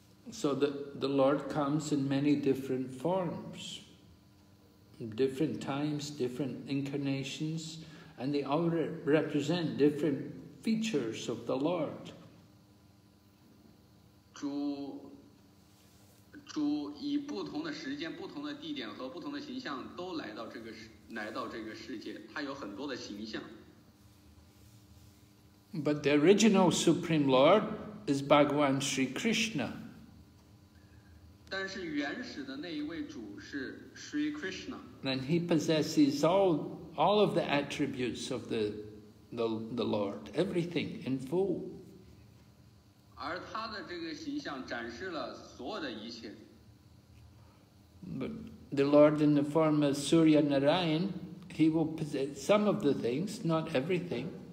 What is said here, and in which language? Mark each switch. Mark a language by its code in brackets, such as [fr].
[en] So the Lord comes in many different forms, different times, different incarnations, and they all represent different features of the Lord. [zh] 主以不同的时间、不同的地点和不同的形象都来到这个世界，他有很多的形象。 [en] But the original Supreme Lord is Bhagavan Sri Krishna. [zh] 但是原始的那一位主是 Sri Krishna. [en] And he possesses all all of the attributes of the Lord, everything in full. [zh] 而他的这个形象展示了所有的一切。 [en] But the Lord in the form of Surya Narayan, he will possess some of the things, not everything.